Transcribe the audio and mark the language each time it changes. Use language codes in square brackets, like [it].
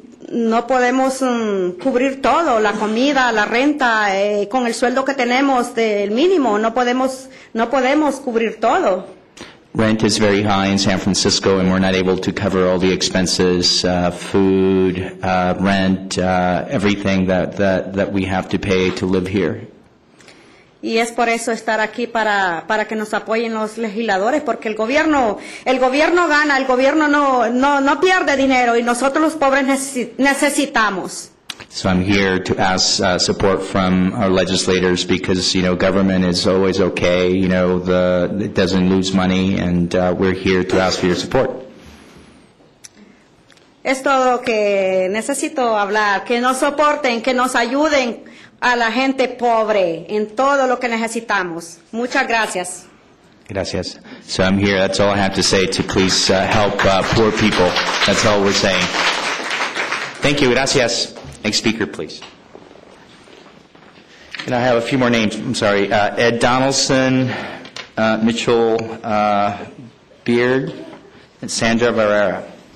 [es] No podemos cubrir todo, la comida, la renta, con el sueldo que tenemos del mínimo, no podemos cubrir todo. [en] Rent is very high in San Francisco, and we're not able to cover all the expenses, food, rent, everything that we have to pay to live here. [es] Y es por eso estar aquí para que nos apoyen los legisladores, porque el gobierno gana, el gobierno no pierde dinero, y nosotros los pobres necesitamos. [en] So I'm here to ask support from our legislators because, you know, government is always okay. You know, it doesn't lose money, and we're here to ask for your support. [es] Es todo lo que necesito hablar, que nos soporten, que nos ayuden a la gente pobre en todo lo que necesitamos. Muchas gracias. [en] Gracias. So I'm here. That's all I have to say, to please help poor people. That's all we're saying. Thank you. Gracias. Next speaker, please. And I have a few more names. I'm sorry. Ed Donaldson, Mitchell Beard, and Sandra Barrera.